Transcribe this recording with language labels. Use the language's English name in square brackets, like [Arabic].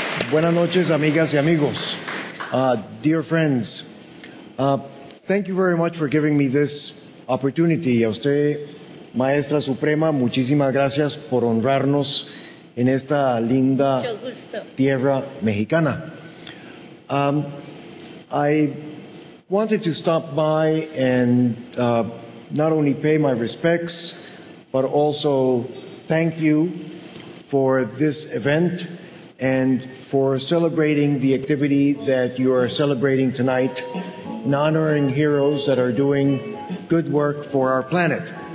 [Spanish] Buenas noches, amigas y amigos. [English] Dear friends, thank you very much for giving me this opportunity. [Spanish] A usted, Maestra Suprema, muchísimas gracias por honrarnos en esta linda tierra mexicana. [English] I wanted to stop by and not only pay my respects, but also thank you for this event and for celebrating the activity that you are celebrating tonight, honoring heroes that are doing good work for our planet.